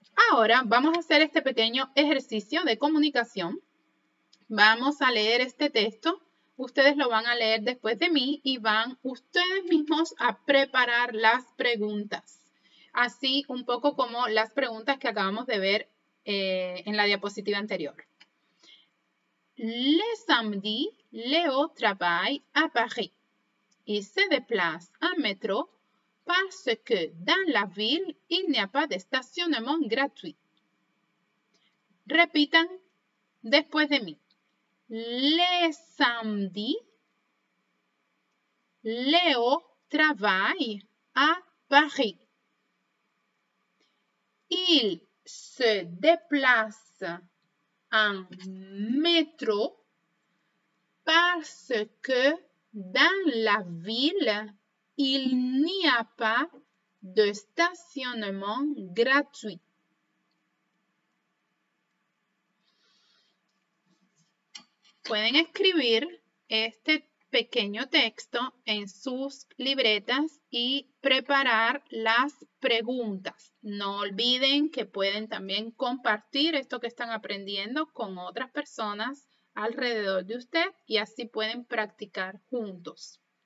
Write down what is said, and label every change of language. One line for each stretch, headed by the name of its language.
Spanish: Ahora vamos a hacer este pequeño ejercicio de comunicación. Vamos a leer este texto. Ustedes lo van a leer después de mí y van ustedes mismos a preparar las preguntas. Así un poco como las preguntas que acabamos de ver en la diapositiva anterior.
French: Le samedi, Léo travaille à Paris. Il se déplace en métro parce que dans la ville, il n'y a pas de stationnement gratuit.
Spanish: Repitan después de mí.
French: Le samedi, Léo travaille à Paris. Il se déplace en métro parce que dans la ville, il n'y a pas de stationnement gratuit.
Spanish: Pueden escribir este pequeño texto en sus libretas y preparar las preguntas. No olviden que pueden también compartir esto que están aprendiendo con otras personas alrededor de usted y así pueden practicar juntos.